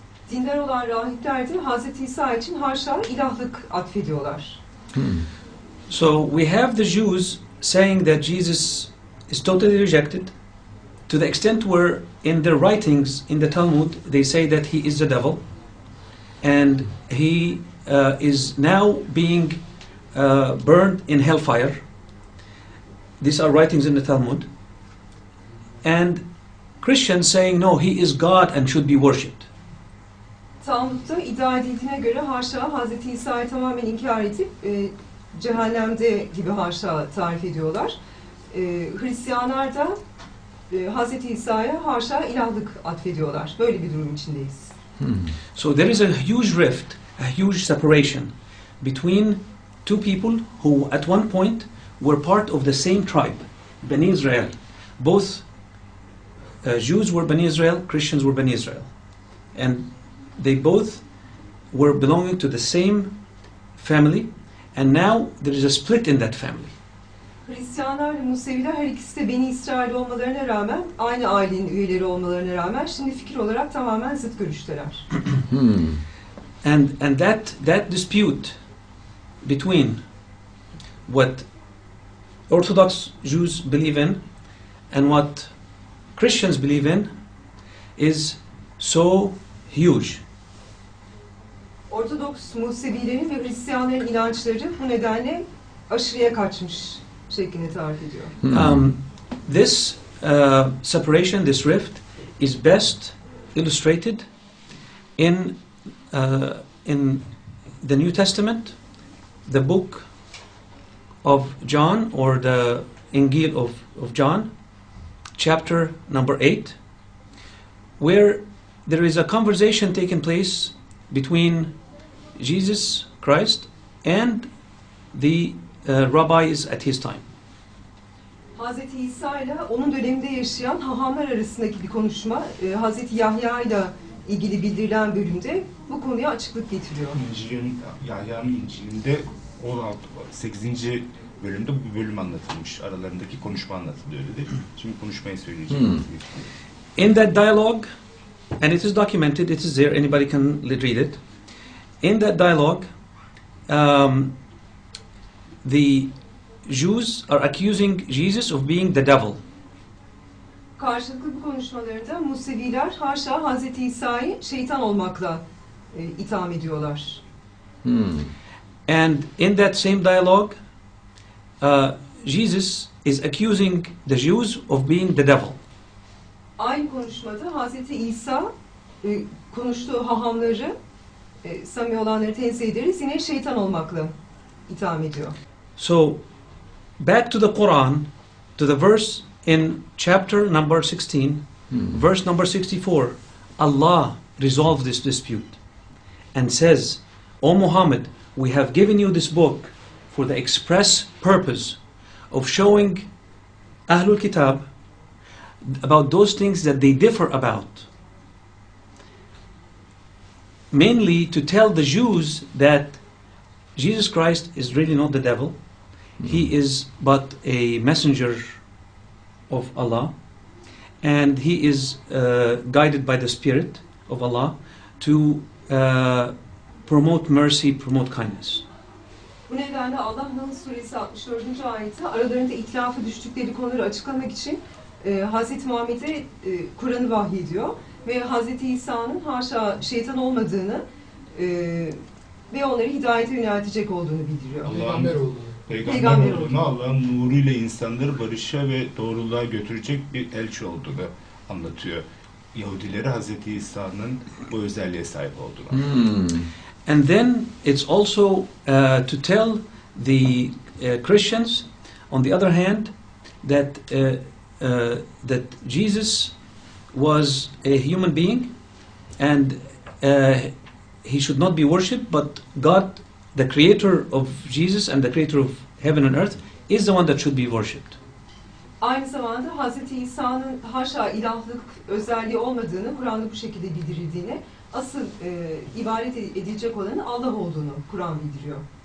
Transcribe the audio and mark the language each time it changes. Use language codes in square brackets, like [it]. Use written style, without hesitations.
[tr] Dindar olan rahipler de Hazreti İsa için haşa ilahlık atfediyorlar. [en] So we have the Jews saying that Jesus is totally rejected to the extent where in their writings in the Talmud they say that he is the devil and he is now being burned in hellfire. These are writings in the Talmud. And Christians saying, no, he is God and should be worshipped. [tr] Talmud'da iddia edildiğine göre haşa Hazreti İsa'yı tamamen inkar edip cehennemde gibi haşa tarif ediyorlar. Hristiyanlar da Hazreti İsa'ya haşa ilahlık atfediyorlar. Böyle bir durum içindeyiz. [en] So there is a huge rift, a huge separation between two people who at one point were part of the same tribe, Bani Israel. Both Jews were Bani Israel, Christians were Bani Israel. And they both were belonging to the same family, and now there is a split in that family. [tr] Hristiyanlar ve Museviler her ikisi de Beni İsrail olmalarına rağmen, aynı ailenin üyeleri olmalarına rağmen, şimdi fikir olarak tamamen zıt görüşteler. [en] And that dispute between what Orthodox Jews believe in and what Christians believe in is so huge. [tr] Ortodoks Musevilerin ve Hristiyanların inançları bu nedenle aşırıya kaçmış şeklinde tarif ediyor. [en] This separation, this rift is best illustrated in the New Testament, the book of John or the Injil of John, chapter number 8, where there is a conversation taking place between Jesus Christ and the rabbis at his time. [tr] Hazreti İsa ile onun döneminde yaşayan hahamlar arasındaki bir konuşma, Hazreti Yahya ile ilgili bildirilen bölümde bu konuya açıklık getiriyor. İncil'in, Yahya'nın İncil'inde 16-18. bölümde bu bölüm anlatılmış. Aralarındaki konuşma anlatılıyor dedi. Şimdi konuşmayı söyleyeceğim. [en] In that dialogue, and it is documented, it is there, anybody can read it. In that dialogue, the Jews are accusing Jesus of being the devil. [tr] Karşılıklı bu konuşmalarda Museviler haşa Hazreti İsa'yı şeytan olmakla itham ediyorlar. [en] And in that same dialogue, Jesus is accusing the Jews of being the devil. [tr] Aynı konuşmada Hazreti İsa konuştuğu hahamları, samimi olanları tenzih ederiz, yine şeytan olmakla itham ediyor. [en] So, back to the Quran, to the verse in chapter number 16, verse number 64, Allah resolved this dispute and says, O Muhammad, we have given you this book for the express purpose of showing Ahlul Kitab about those things that they differ about. Mainly to tell the Jews that Jesus Christ is really not the devil. He is but a messenger of Allah. And he is guided by the Spirit of Allah to promote mercy, promote kindness. [tr] Bu nedenle Allah Nahl Suresi 64. ayeti aralarında ihtilafı düştükleri konuları açıklamak için Hazreti Muhammed'e Kur'an'ı vahyediyor. Ve Hazreti İsa'nın haşa şeytan olmadığını ve onları hidayete yöneltecek olduğunu bildiriyor. Allah'ın peygamber olduğunu, Allah'ın nuruyla insanları barışa ve doğruluğa götürecek bir elçi olduğunu anlatıyor. Yahudileri Hazreti İsa'nın bu özelliğe sahip olduğunu anlatıyor. [en] And then it's also to tell the Christians, on the other hand, that that Jesus was a human being, and he should not be worshipped, but God, the creator of Jesus and the creator of heaven and earth, is the one that should be worshipped. [tr] Aynı zamanda Hazreti İsa'nın haşa ilahlık özelliği olmadığını, Kur'an'da bu şekilde bildirildiğini, asıl ibadet edilecek olanın Allah olduğunu Kur'an bildiriyor.